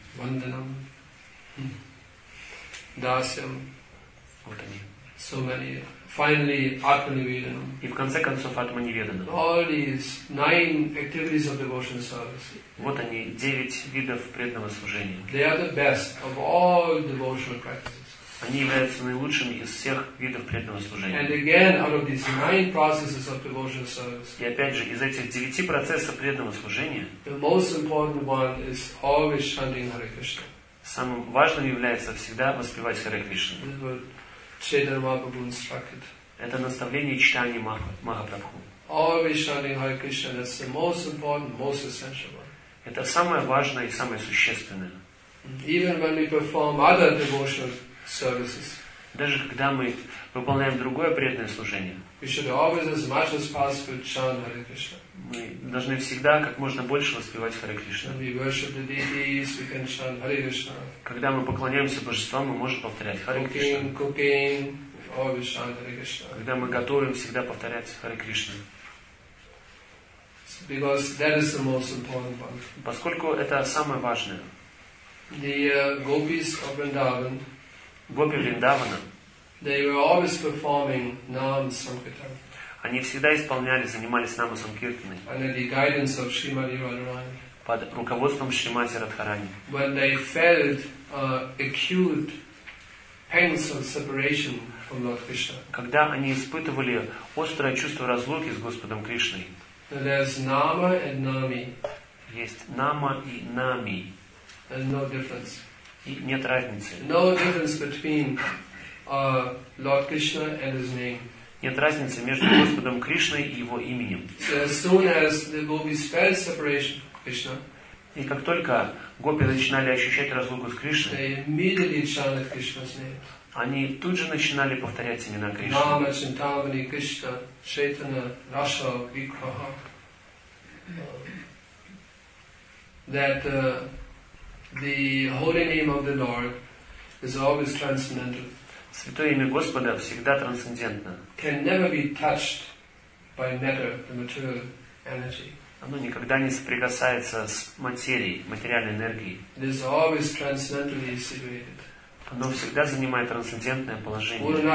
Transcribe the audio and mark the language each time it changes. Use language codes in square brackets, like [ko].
[sa] Vandanam. Dasyam. [ru] Вот они. [en] So many. Finally, Atmaniveedanam. [ru] И в конце концов, Atmaniveedanam. [en] All these 9 activities of devotional service. [ru] Вот они, 9 видов преданного служения. [en] They are the best of all devotional practices. [ru] Они являются наилучшими из всех видов преданного служения. [en] And again, out of these 9 processes of devotional service, [ru] и опять же, из этих 9 процессов преданного служения, [en] the most important one is always chanting Hare Krishna. [ru] Самым важным является всегда воспевать Харе Кришну. [en] This is what Chaitanya Mahaprabhu instructed. [ru] Это наставление Чайтаньи Махапрабху. [en] Always chanting Hare Krishna, that's the most important, most essential one. [ru] Это самое важное и самое существенное. [en] Even when we perform other devotional services. [ru] Даже когда мы выполняем другое преданное служение, [en] We should always as much as possible chant Hare Krishna. [ru] Мы должны всегда как можно больше воспевать Харе Кришна. [en] When we worship the deities, we can chant Hare Krishna. [ru] Когда мы поклоняемся божествам, мы можем повторять Харе Кришна. [en] Cooking, always chant Hare Krishna. [ru] Когда мы готовим, всегда повторять Харе Кришна. [en] Because that is the most important one. [ru] Поскольку это самое важное. [en] The gopis of Vrindavan. [ru] Гопи Вриндавана. [en] They were always performing Nama Sankirtan. [ru] Они всегда исполняли, занимались Нама Санкиртаной. [en] Under the guidance of Shrimati Radharani. [ru] Под руководством Шримати Радхарани. [en] When they felt acute pangs of separation from Lord Krishna. [ru] Когда они испытывали острое чувство разлуки с Господом Кришной. [en] There's Nama and Nami. [ru] Есть Нама и Нами. [en] There's no difference. [ru] И нет разницы. [en] No difference between Lord Krishna and his name. [ru] Нет разницы между Господом Кришной и его именем. [en] So as soon as the gopis felt separation from Krishna. [ru] И как только гопи начинали ощущать разлуку с Кришной. [en] They immediately chanted Krishna's name. [ru] Они тут же начинали повторять имена Кришны. [sa] Нама, Чинтамани, Кришна, Чайтана, Раша, Викраха. [en] That the holy name of the Lord is always transcendental. [ru] Святое имя Господа всегда трансцендентно. [en] Can never be touched by matter, the material energy. [ru] Оно никогда не соприкасается с материей, материальной энергией. [en] It is always transcendentally situated. [ru] Оно всегда занимает трансцендентное положение.